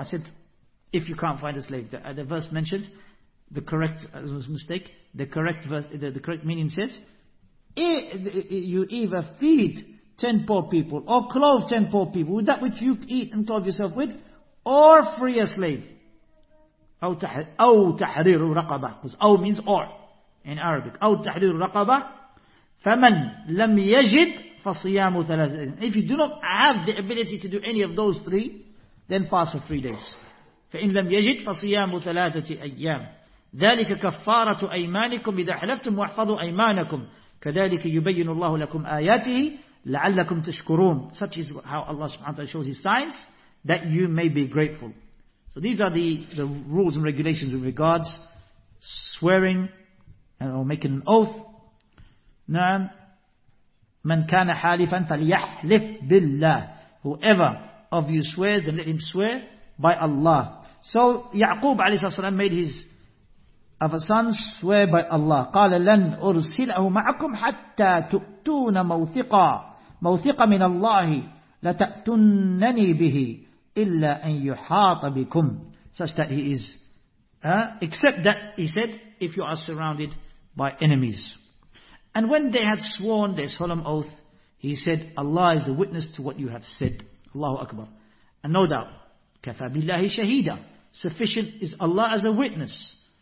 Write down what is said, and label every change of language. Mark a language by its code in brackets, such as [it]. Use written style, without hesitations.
[en] I said, if you can't find a slave. The verse mentions, the correct, correct meaning says, you either feed 10 poor people, or clothe 10 poor people, with that which you eat and clothe yourself with, or free a slave. [ar] أَوْ تَحْرِيرُ رَقَبَةً. [en] Because أَوْ means or. In Arabic, [ar] أَوْ تَحْرِيرُ رَقَبَةً فَمَنْ لَمْ يَجِدْ فَصِيَامُ ثَلَاثَةٍ. [en] If you do not have the ability to do any of those three, then fast for 3 days. [ar] فَإِنْ لَمْ يَجِدْ فَصِيَامُ ثَلَاثَةِ أَيَّامٍ ذَلِكَ كَفَّارَةُ أَيْمَانِكُمْ إِذَا حَلَفْتُمْ وَاحْفَظُوا أَيْمَانَكُمْ كَذَلِكَ يُبَيِّنُ اللَّهُ لَكُمْ آيَاتِهِ لَعَلَّكُمْ تَشْكُرُونَ. [en] Such is how Allah subhanahu wa ta'ala shows His signs, that you may be grateful. So these are the rules and regulations with regards swearing or making an oath. [ar] نعم. من كان حالفا فليحلف بالله. [en] Whoever of you swears, then let him swear by Allah. So Ya'qub [ar] عليه الصلاة والسلام [en] made his other sons swear by Allah. [ar] قال لن أرسله معكم حتى تؤتون موثقا موثقا من الله لتأتنني به إلا أن يحاط بكم. [en] Such that he is, except that he said, if you are surrounded by enemies. And when they had sworn their solemn oath, he said, Allah is the witness to what you have said. Allahu Akbar. And no doubt, [ar] كَفَى بِاللَّهِ شَهِيدًا. [en] Sufficient is Allah as a witness.